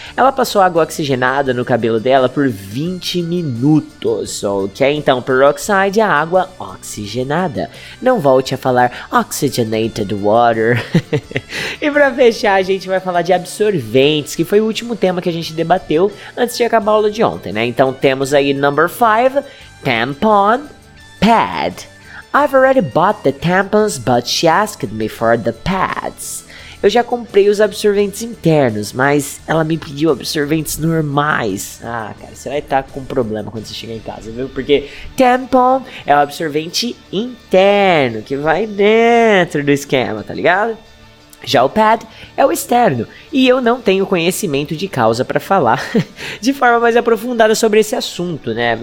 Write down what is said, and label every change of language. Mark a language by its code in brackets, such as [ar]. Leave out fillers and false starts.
[pt] Ela passou água oxigenada no cabelo dela por 20 minutos, ok? Então, peroxide é água oxigenada. Não volte a falar oxygenated water. E pra fechar, a gente vai falar de absorventes, que foi o último tema que a gente debateu antes de acabar a aula de ontem, né? Então, temos aí [en] number 5, [pt] tampon, pad. [en] I've already bought the tampons, but she asked me for the pads. [pt] Eu já comprei os absorventes internos, mas ela me pediu absorventes normais. Ah, cara, você vai estar com um problema quando você chegar em casa, viu? Porque tampon é o absorvente interno, que vai dentro do esquema, tá ligado? Já o pad é o externo, e eu não tenho conhecimento de causa pra falar de forma mais aprofundada sobre esse assunto, né?